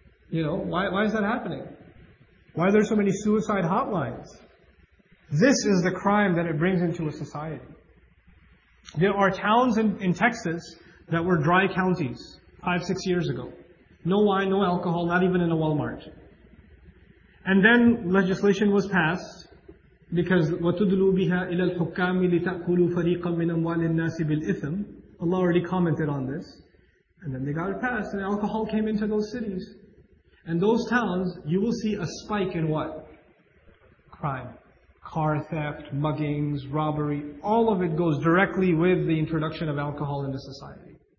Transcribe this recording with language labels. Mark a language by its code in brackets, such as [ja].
[en] You know, why is that happening? Why are there so many suicide hotlines? This is the crime that it brings into a society. There are towns in Texas that were dry counties 5-6 years ago. No wine, no alcohol, not even in a Walmart. And then legislation was passed because [ar] وَتُدْلُوا بِهَا إِلَى الْحُكَّامِ لِتَأْكُلُوا فَرِيقًا مِّنَ أَمْوَالِ النَّاسِ بِالْإِثْمِ. [en] Allah already commented on this. And then they got it passed and alcohol came into those cities. And those towns, you will see a spike in what? Crime. Car theft, muggings, robbery. All of it goes directly with the introduction of alcohol into society.